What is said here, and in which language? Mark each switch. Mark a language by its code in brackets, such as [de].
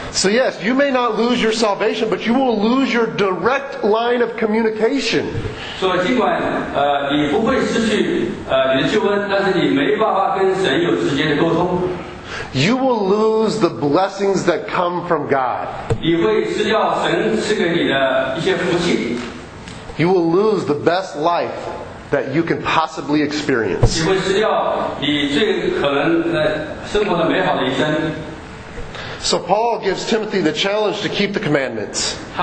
[en] So yes, you may not lose your salvation, but you will lose your direct line of communication. [zh] 所以尽管你不会失去你的救恩，但是你没办法跟神有直接的沟通。 [en] You will lose the blessings that come from God. [zh] 你会失掉神赐给你的一些福气。 [en] You will lose the best life that you can possibly experience. You will lose the best life that you can possibly experience. So Paul gives Timothy the challenge to keep the commandments.